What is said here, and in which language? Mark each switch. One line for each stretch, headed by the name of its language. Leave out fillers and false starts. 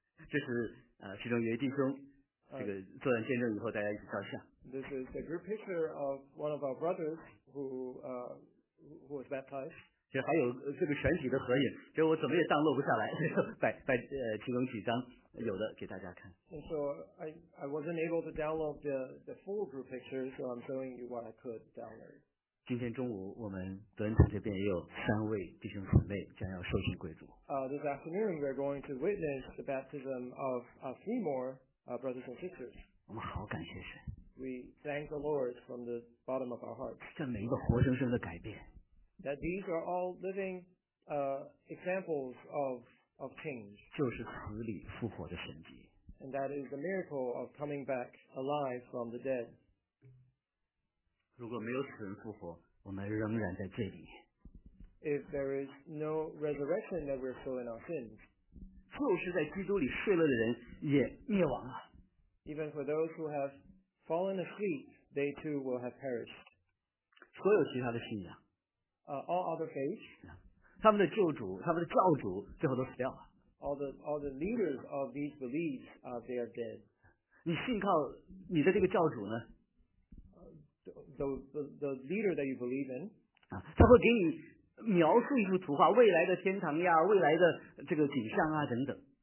Chinese: 这是其中一位弟兄，这个做完见证以后，大家一起照相。
English: This is a group picture of one of our brothers who was baptized.
Chinese: 这还有这个全体的合影，这我怎么也当落不下来，摆其中几张有的给大家看。
English: And so I wasn't able to download the full group picture, so I'm showing you what I could download.
Chinese: 今天中午我们德恩堂这边也有三位弟兄姊妹将要受浸归主。
English: This afternoon we are going to witness the baptism of three more brothers and sisters.
Chinese: 我们好感谢神。
English: We thank the Lord from the bottom of our hearts.
Chinese: 这每一个活生生的改变。
English: that these are all living examples of change.
Chinese: 就是死里复活的神迹。
English: And that is the miracle of coming back alive from the dead.
Chinese: 如果没有死人复活，我们仍然在罪里。
English: If there is no resurrection, then we're still in our sins.
Chinese: 就是在基督里睡了的人也灭亡了。
English: Even for those who have fallen asleep, they too will have perished.
Chinese: 所有其他的信仰。
English: All other faiths.
Chinese: 他们的救主，他们的教主，最后都死掉了。
English: All the leaders of these beliefs, they are dead.
Chinese: 你信靠你的这个教主呢？
English: The leader that you believe in.
Chinese: 啊，他会给你描述一幅图画，未来的天堂呀，未来的这个景象啊，等等。